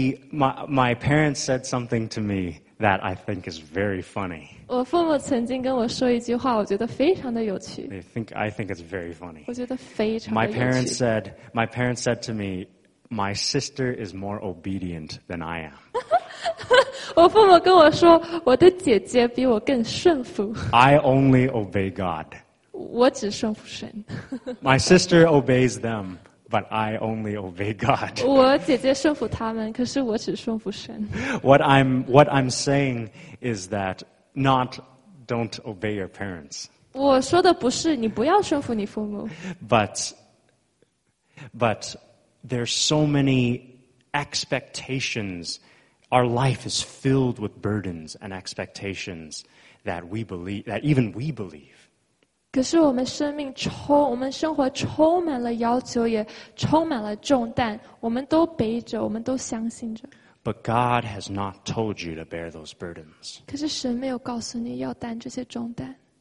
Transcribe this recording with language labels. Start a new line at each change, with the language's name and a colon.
English: my parents said something to me that I think is very funny.
Chinese: 我父母曾经跟我说一句话，我觉得非常的有趣。
English: I think it's very funny.
Chinese: 我觉得非常的有趣。
English: My parents said to me,My sister is more obedient than I am.
Chinese: 我父母跟我说，我的姐姐比我更顺服。
English: I only obey God.
Chinese: 我只顺服神。
English: My sister obeys them, but I only obey God.
Chinese: 我姐姐顺服他们，可是我只顺服神。
English: What I'm saying is that not don't obey your parents.
Chinese: 我说的不是你不要顺服你父母。
English: But. There's so many expectations. Our life is filled with burdens and expectations that even we believe.
Chinese: 可是我们生活充满了要求，也充满了重担，我们都背着，我们都相信着。
English: But God has not told you to bear those burdens.
Chinese: 可是神没有告诉你要担这些重担。